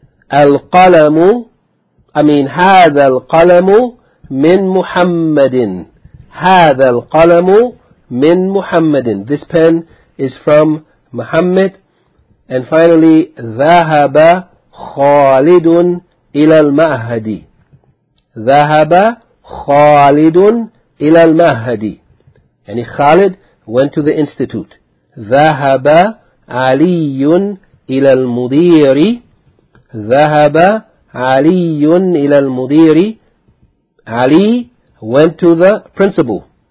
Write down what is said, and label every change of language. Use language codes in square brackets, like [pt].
[ar] Al-qalamu, [en] I mean, [ar] هذا القلم من محمد. هذا القلم من محمد. [en] This pen is from Muhammad. And finally, [ar] ذهب خالد إلى المعهد. ذهب خالد إلى المعهد. يعني [en] خالد went to the institute. [ar] ذهب علي إلى المدير. ذهب علي إلى المدير. [en] علي went to the principal.